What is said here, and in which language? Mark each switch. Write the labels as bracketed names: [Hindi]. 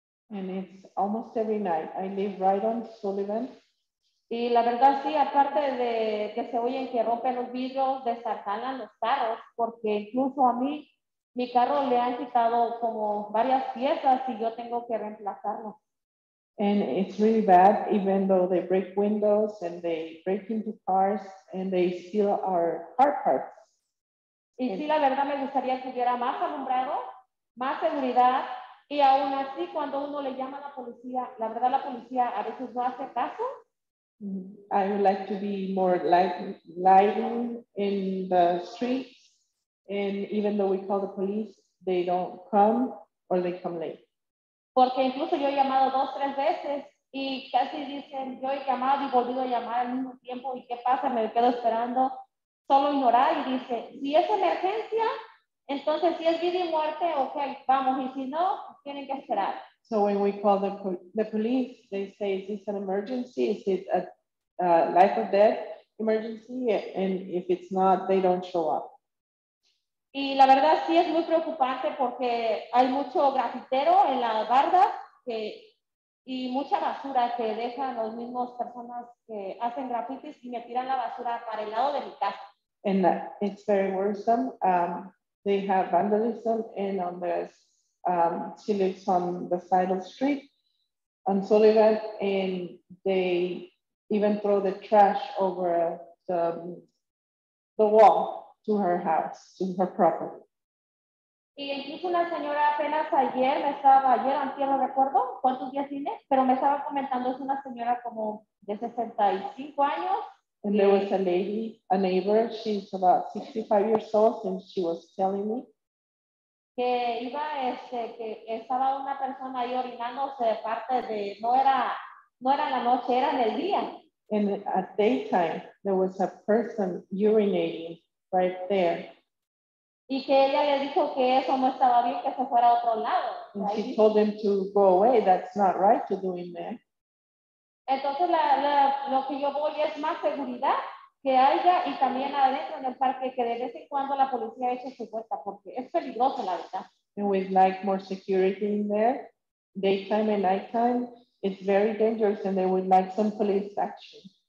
[English] And it's almost every night. I live right on Sullivan. [Spanish] Y la verdad sí, aparte de que se oyen que rompen los vidrios, desarcalan los carros, porque incluso a mí, mi carro le han quitado como varias piezas y yo tengo que reemplazarlo. [English] And it's really bad, even though they break windows and they break into cars and they steal our car parts. [Spanish] Y sí, la verdad me gustaría que hubiera más alumbrado, más seguridad, y aún así cuando uno le llama a la verdad la policía a veces no hace caso. [English] I would like to be more lighting in the streets, and even though we call the police, they don't come or they come late. [Spanish] Porque incluso yo he llamado 2-3 veces y casi dicen yo he llamado y volvido a llamar al mismo tiempo y qué pasa, me quedo esperando, solo ignorar y dice si es emergencia, entonces si es vida y muerte, okay, vamos, y si no, tienen que esperar. [English] So when we call the police, they say, is this an emergency? Is it a life or death emergency? And if it's not, they don't show up. [Spanish] Y la verdad sí es muy preocupante porque hay mucho grafitero en la barda que, y mucha basura que dejan los mismos personas que hacen grafitis y me tiran la basura para el lado de mi casa. [English] And it's very worrisome. They have vandalism and on the she lives on the side of the street on Sullivan and they even throw the trash over the wall. To her house, to her property. [Spanish] Y incluso una señora apenas ayer me estaba, ayer antier no recuerdo cuántos días tiene, pero me estaba comentando, es una señora como de 65 años. [English] And there was a lady, a neighbor, she's about 65 years old, and she was telling me. [Spanish] Que iba, este, que estaba una persona ahí orinándose de parte de, no era la noche, era en el día. [English] And at daytime, there was a person urinating. Right there. [Spanish] Y que ella le dijo que eso no estaba bien, que se fuera a otro lado. [English] And she told him to go away. That's not right to do in there. [Spanish] Entonces lo que yo voy es más seguridad que haya y también adentro en el parque que de vez en cuando la policía eche su puesta porque es peligroso la verdad. [English] And we'd like more security in there, daytime and nighttime. It's very dangerous, and they would like some police action.